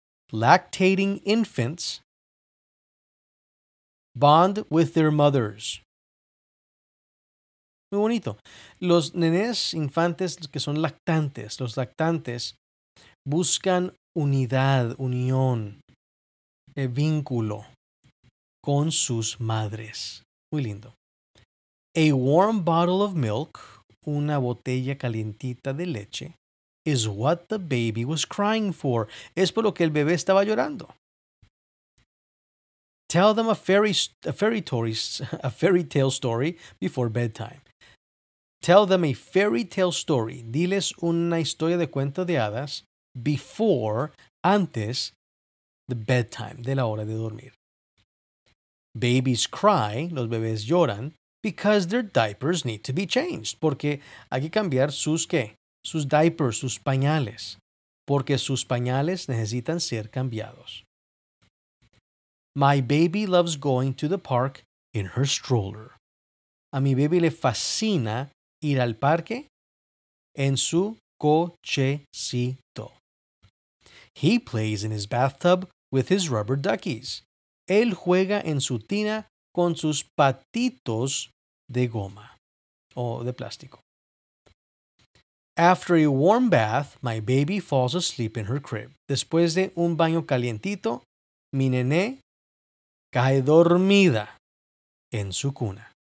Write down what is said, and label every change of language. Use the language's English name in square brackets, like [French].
[English] Lactating infants bond with their mothers. [Spanish] Muy bonito. Los nenes infantes que son lactantes, los lactantes buscan unidad, unión, vínculo con sus madres. Muy lindo. [English] A warm bottle of milk, [Spanish] una botella calientita de leche, [English] is what the baby was crying for. [Spanish] Es por lo que el bebé estaba llorando. [English] Tell them a fairy tale story before bedtime. Tell them a fairy tale story. [Spanish] Diles una historia de cuento de hadas before, antes, [English] the bedtime, [Spanish] de la hora de dormir. [English] Babies cry, [Spanish] los bebés lloran, [English] because their diapers need to be changed. [Spanish] Porque hay que cambiar sus, ¿qué? Sus diapers, sus pañales. Porque sus pañales necesitan ser cambiados. [English] My baby loves going to the park in her stroller. [Spanish] A mi baby le fascina ir al parque en su cochecito. [English] He plays in his bathtub with his rubber duckies. [Spanish] Él juega en su tina con sus patitos de goma o de plástico. [English] After a warm bath, my baby falls asleep in her crib. [Spanish] Después de un baño calientito, mi nené cae dormida en su cuna.